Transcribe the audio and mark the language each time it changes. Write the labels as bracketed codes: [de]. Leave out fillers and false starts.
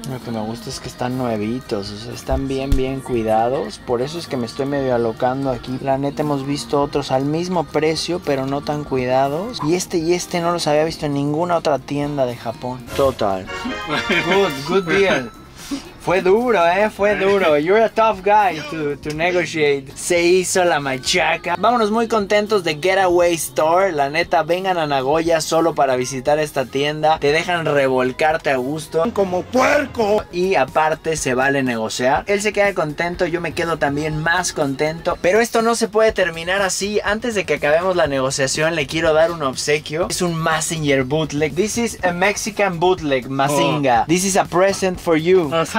[es] Lo que me gusta es que están nuevitos, o sea, están bien, bien cuidados. Por eso es que me estoy medio alocando aquí. La neta hemos visto otros al mismo precio, pero no tan cuidados. Y este no los había visto en ninguna otra tienda de Japón. Total. [en] Good, good deal. [es] Fue duro, fue duro. [en] You're a tough guy to negotiate. [es] Se hizo la machaca. Vámonos muy contentos de Getaway Store. La neta, vengan a Nagoya solo para visitar esta tienda. Te dejan revolcarte a gusto. Como puerco. Y aparte, se vale negociar. Él se queda contento, yo me quedo también más contento. Pero esto no se puede terminar así. Antes de que acabemos la negociación, le quiero dar un obsequio. Es un Mazinger bootleg. [en] This is a Mexican bootleg, Mazinga. Oh. This is a present for you.